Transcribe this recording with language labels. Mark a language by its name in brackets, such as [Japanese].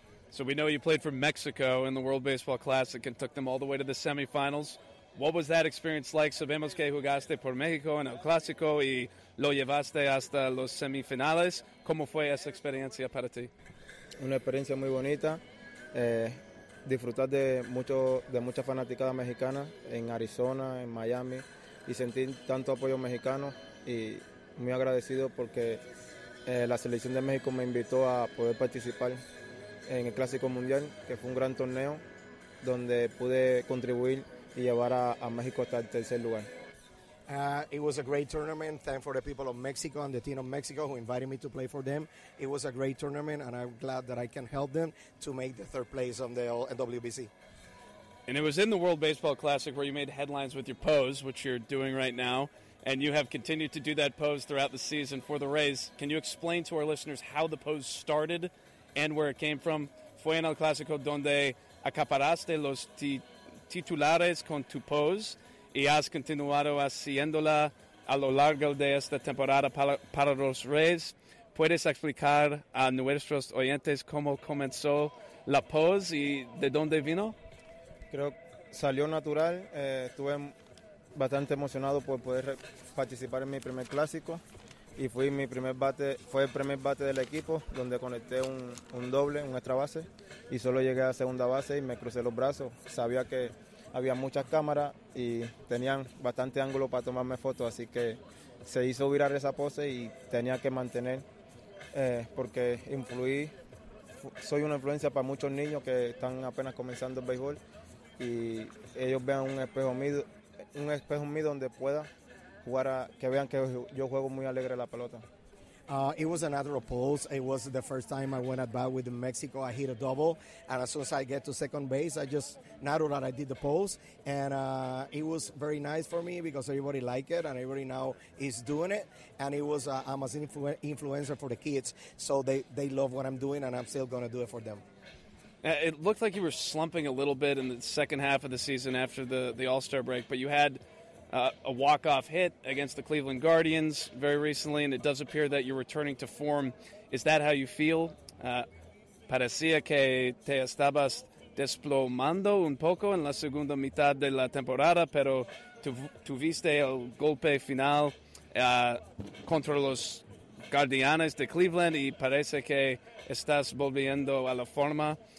[English] So we know you played for Mexico in the World Baseball Classic and took them all the way to the semifinals. What was that experience like? [Spanish] Sabemos que jugaste por México en el Clásico y lo llevaste hasta los semifinales. ¿Cómo fue esa experiencia para ti? Una experiencia muy bonita. Disfrutar de mucha fanaticada mexicana en Arizona, en Miami, y sentir tanto apoyo mexicano. Y muy agradecido porque la selección de México me invitó a poder participar en el Clásico Mundial, que fue un gran torneo donde pude contribuir y llevar a México hasta el tercer lugar. [English] It was a great tournament. Thanks for the people of Mexico and the team of Mexico who invited me to play for them. It was a great tournament, and I'm glad that I can help them to make the third place on the WBC. And it was in the World Baseball Classic where you made headlines with your pose, which you're doing right now, and you have continued to do that pose throughout the season for the Rays. Can you explain to our listeners how the pose started and where it came from? [Spanish] Fue en el Clásico donde acaparaste los titulares con tu pose y has continuado haciéndola a lo largo de esta temporada para los Rays. ¿Puedes explicar a nuestros oyentes cómo comenzó la pose y de dónde vino? Creo que salió natural. Estuve bastante emocionado por poder participar en mi primer clásico y fue el primer bate del equipo donde conecté un doble, un extra base, y solo llegué a segunda base y me crucé los brazos. Sabía que había muchas cámaras y tenían bastante ángulo para tomarme fotos, así que se hizo virar esa pose y tenía que mantener porque influí, soy una influencia para muchos niños que están apenas comenzando el béisbol y ellos vean un espejo mío donde pueda jugar, que vean que yo juego muy alegre la pelota. [English] It was another pose. It was the first time I went at bat with Mexico. I hit a double, and as soon as I get to second base, I just know that I did the pose, and it was very nice for me because everybody liked it, and everybody now is doing it, and it was I'm an influencer for the kids, so they love what I'm doing, and I'm still going to do it for them. It looked like you were slumping a little bit in the second half of the season after the All-Star break, but you had a walk-off hit against the Cleveland Guardians very recently, and it does appear that you're returning to form. Is that how you feel? [Spanish] Parecía que te estabas desplomando un poco en la segunda mitad de la temporada, pero tuviste el golpe final contra los Guardianes de Cleveland y parece que estás volviendo a la forma.